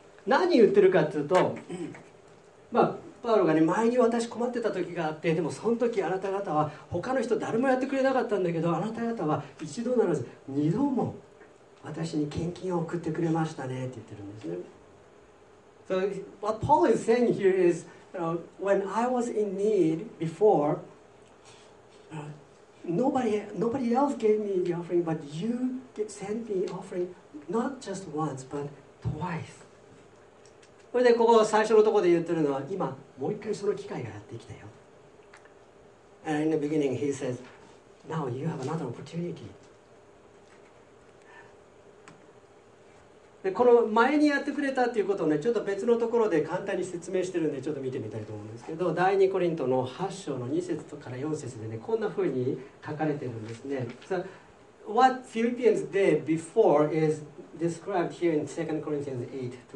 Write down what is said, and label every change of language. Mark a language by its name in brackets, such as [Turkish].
[Japanese] 何言ってるかっていうと、まあパウロがね、前に私困ってた時があって、でもその時あなた方は他の人誰もやってくれなかったんだけど、あなた方は一度ならず二度も私に献金を送ってくれましたねって言ってるんですね。 [English] So what Paul is saying here is, when I was in need before, nobody else gave me the offering, but you sent me offering not just once, but twice. [Japanese] それでここ最初のところで言ってるのは、今もう一回その機会がやってきたよ。 [English] And in the beginning he says, now you have another opportunity. [Japanese] でこの前にやってくれたということをね、ちょっと別のところで簡単に説明してるんで、ちょっと見てみたいと思うんですけど、第2コリントの8章の2節から4節でね、こんな風に書かれてるんですね。 [English] So, what Philippians did before is described here in 2 Corinthians 8:2-4.